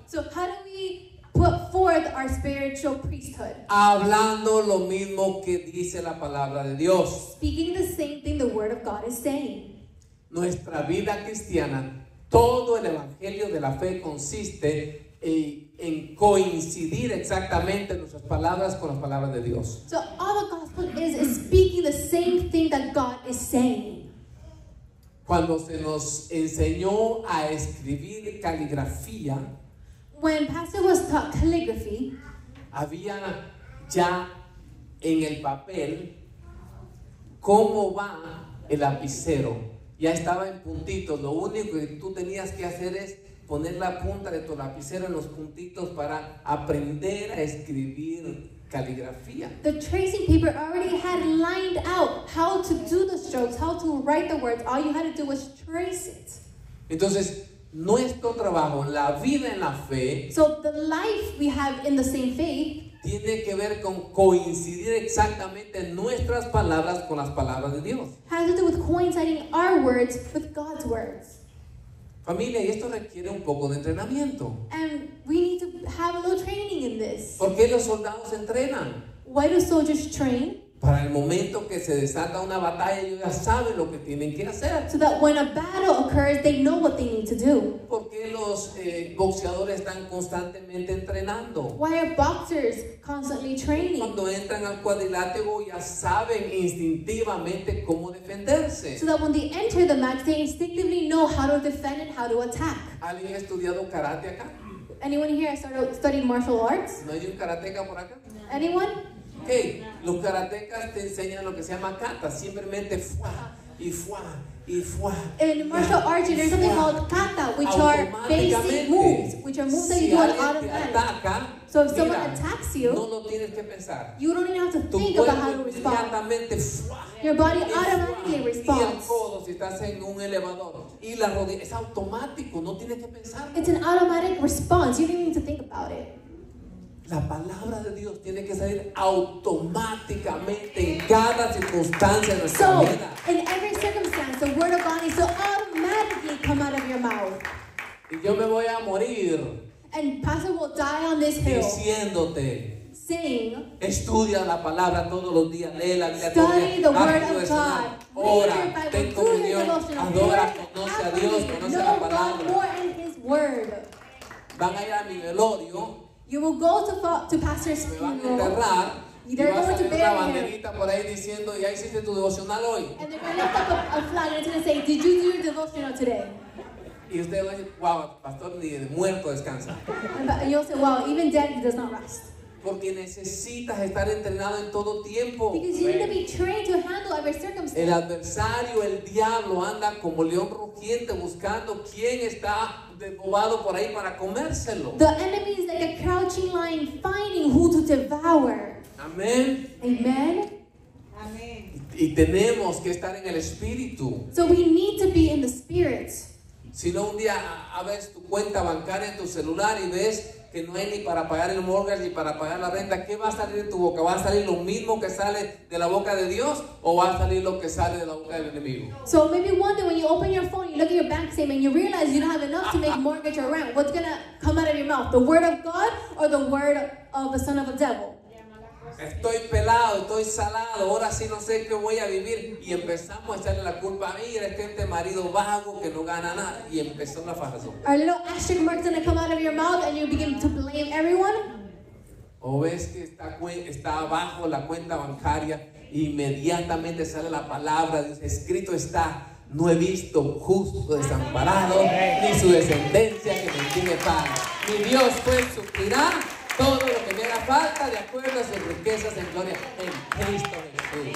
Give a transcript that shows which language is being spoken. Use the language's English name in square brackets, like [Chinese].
[English] So how do we put forth our spiritual priesthood? [Spanish] Hablando lo mismo que dice la palabra de Dios. [English] Speaking the same thing the word of God is saying. [Spanish] Nuestra vida cristiana, todo el evangelio de la fe consiste en coincidir exactamente nuestras palabras con las palabras de Dios. [English] So all the gospel is speaking the same thing that God is saying. [Spanish] Cuando se nos enseñó a escribir caligrafía, [English] when Pastor was taught calligraphy, [Spanish] había ya en el papel cómo va el lapicero. Ya estaba en puntitos. Lo único que tú tenías que hacer es poner la punta de tu lapicero en los puntitos para aprender a escribir caligrafía. [English] The tracing paper already had lined out how to do the strokes, how to write the words. All you had to do was trace it. [Spanish] Entonces, nuestro trabajo, la vida en la fe, [English] so the life we have in the same faith, [Spanish] tiene que ver con coincidir exactamente nuestras palabras con las palabras de Dios. [English] Has to do with coinciding our words with God's words. [Spanish] Familia, y esto requiere un poco de entrenamiento. [English] And we need to have a little training in this. [Spanish] ¿Por qué los soldados entrenan? [English] Why do soldiers train? [Spanish] Para el momento que se desata una batalla, ellos ya saben lo que tienen que hacer. [English] So that when a battle occurs, they know what they need to do. [Spanish] ¿Por qué los boxeadores están constantemente entrenando? [English] Why are boxers constantly training? [Spanish] Cuando entran al cuadrilátero, ya saben instintivamente cómo defenderse. [English] So that when they enter the match, they instinctively know how to defend and how to attack. [Spanish] ¿Alguien ha estudiado karate acá? [English] Anyone here studying martial arts? [Spanish] ¿No hay un karateka por acá? No. [English] Anyone? [Spanish] Hey, los karatecas te enseñan lo que se llama kata, simplemente fuá y fuá y fuá. [English] In martial arts, there's something called kata, which are basic moves, which are moves that you do on automatic. So if someone attacks you, [Spanish] no lo tienes que pensar. [English] You don't even have to think about how to respond. [Spanish] Inmediatamente, fuá. [English] Your body automatically responds. [Spanish] Y el codo, si estás en un elevador, y la rodilla, es automático, no tienes que pensar. [English] It's an automatic response. You don't even need to think about it. [Spanish] La palabra de Dios tiene que salir automáticamente en cada circunstancia de nuestra vida. [English] So, in every circumstance, the word of God needs to automatically come out of your mouth. [Spanish] Y yo me voy a morir. [English] And Pastor will die on this hill. [Spanish] Diciéndote. [English] Sing. [Spanish] Estudia la palabra todos los días. Lee la Biblia. [English] Study the word of God. [Spanish] Ora. Ten comunión. Adora. Conoce a Dios. Conoce la palabra. [English] Know God more in His word. [Spanish] Van a ir a mi velorio. [English] You will go to pastor's funeral. They're going to bury him. [Spanish] Por ahí diciendo, ¿ya hiciste tu devocional hoy? [English] And they're going to lift up a flag and it's going to say, did you do your devotional today? [Spanish] Y usted va a decir, wow, pastor, ni el muerto descansa. [English] And you'll say, wow, even dead he does not rest. [Spanish] Porque necesitas estar entrenado en todo tiempo. [English] Because you need to be trained to handle every circumstance. [Spanish] El adversario, el diablo, anda como león rugiente buscando quién está desbobado por ahí para comérselo. [English] The enemy is like a crouching lion finding who to devour. [Spanish] Amén. [English] Amen. [Spanish] Amén. Y tenemos que estar en el espíritu. [English] So we need to be in the spirit. [Spanish] Si no, un día abres tu cuenta bancaria en tu celular y ves que no hay ni para pagar el mortgage ni para pagar la renta, ¿qué va a salir de tu boca? ¿Va a salir lo mismo que sale de la boca de Dios o va a salir lo que sale de la boca del enemigo? [English] So maybe one day when you open your phone, you look at your bank statement, you realize you don't have enough to make mortgage or rent. What's going to come out of your mouth? The word of God or the word of the son of a devil? [Spanish] Estoy pelado, estoy salado, ahora sí no sé qué voy a vivir. Y empezamos a echarle la culpa a mí, a este marido vago que no gana nada. Y empezó la fajazón. [English] Our little asterisk mark is going to come out of your mouth and you begin to blame everyone. [Spanish] O ves que está abajo la cuenta bancaria, inmediatamente sale la palabra, escrito está, no he visto justo desamparado, ni su descendencia que me tiene paz. Mi Dios pues sufrirá todo lo que me haga falta de acuerdo a sus riquezas en gloria en Cristo Jesús.